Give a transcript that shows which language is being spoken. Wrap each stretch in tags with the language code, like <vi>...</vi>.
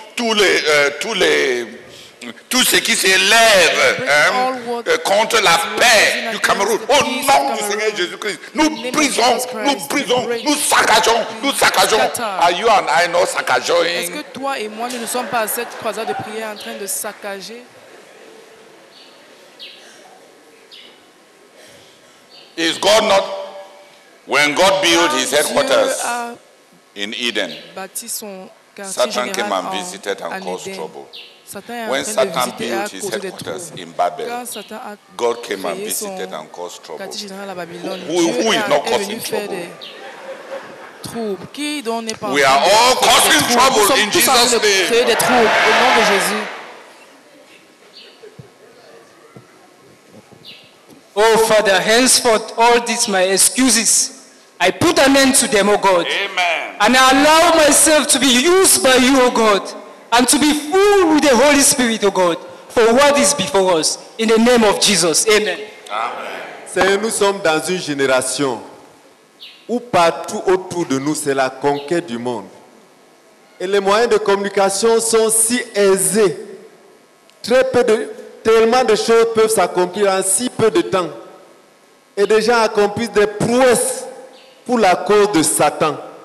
<fr>tous ce qui s'élève contre la paix du Cameroun. Au nom du Seigneur Jésus-Christ, nous brisons, nous saccageons.</fr> <en>Are you and I not saccaging?</en> <fr>Est-ce que toi et moi nous ne sommes pas à cette croisade de prière en train de saccager?</fr> <en>Is God not, when God built his headquarters in Eden, Satan came and visited and caused trouble. When Satan built his headquarters in Babel, God came and visited and caused trouble. Who is not causing trouble? We are all causing trouble in Jesus' name. Oh, Father, henceforth, all these my excuses, I put an end to them, oh God. Amen. And I allow myself to be used by you, oh God, and to be filled with the Holy Spirit, oh God, for what is before us, in the name of Jesus. Amen. Amen.</en> <fr>Seigneur, nous sommes dans une génération où partout autour de nous, c'est la conquête du monde. Et les moyens de communication sont si aisés, très peu de... Tellement de choses peuvent s'accomplir en si peu de temps. Et des gens accomplissent des prouesses pour la cause de Satan.</fr>